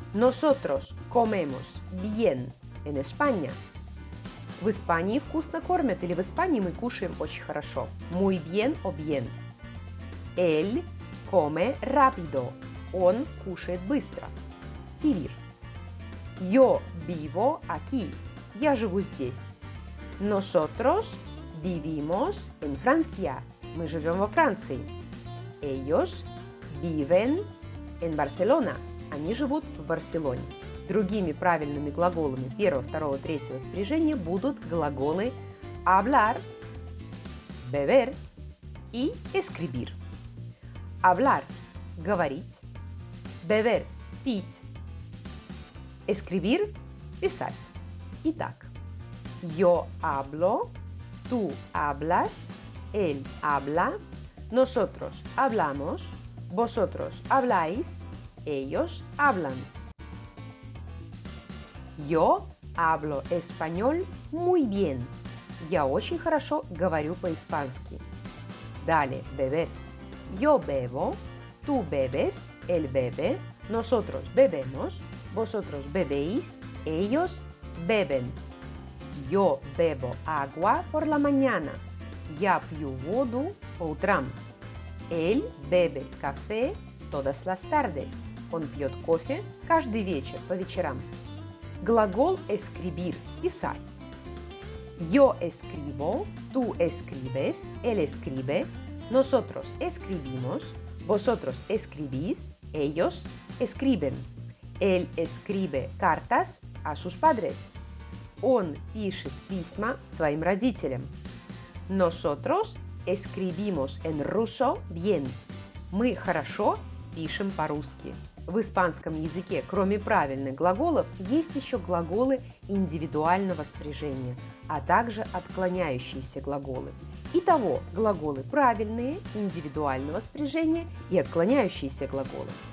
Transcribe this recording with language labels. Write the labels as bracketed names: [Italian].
[Spanish] Nosotros comemos bien en España. [Russian] В Испании вкусно кормят или в Испании мы кушаем очень хорошо. [Spanish] Muy bien o bien. Él come rápido. [Russian] Он кушает быстро. [Spanish] Vivir. Yo vivo aquí. [Russian] Я живу здесь. [Spanish] Nosotros vivimos en Francia. [Russian] Мы живем во Франции. [Spanish] Ellos viven en Barcelona. [Russian] Они живут в Барселоне. Другими правильными глаголами первого, второго, третьего спряжения будут глаголы hablar, beber и escribir. Hablar – говорить, beber – пить, escribir – писать. Итак, [Spanish] yo hablo, tú hablas, él habla, nosotros hablamos, vosotros habláis, ellos hablan. Yo hablo español muy bien. [Russian] Я очень хорошо говорю по-испански. Далее, beber. [Spanish] Yo bebo, tú bebes, él bebe, nosotros bebemos, vosotros bebéis, ellos beben. Yo bebo agua por la mañana. [Russian] Я пью воду по утрам. [Spanish] Él bebe café todas las tardes. [Russian] Он пьет кофе каждый вечер по вечерам. Глагол escribir – писать. [Spanish] Yo escribo, tú escribes, él escribe, nosotros escribimos, vosotros escribís, ellos escriben. Él escribe cartas a sus padres. [Russian] Он пишет письма своим родителям. [Spanish] Nosotros escribimos en ruso bien. [Russian] Мы хорошо пишем по-русски. В испанском языке, кроме правильных глаголов, есть еще глаголы индивидуального спряжения, а также отклоняющиеся глаголы. Итого, глаголы правильные, индивидуального спряжения и отклоняющиеся глаголы.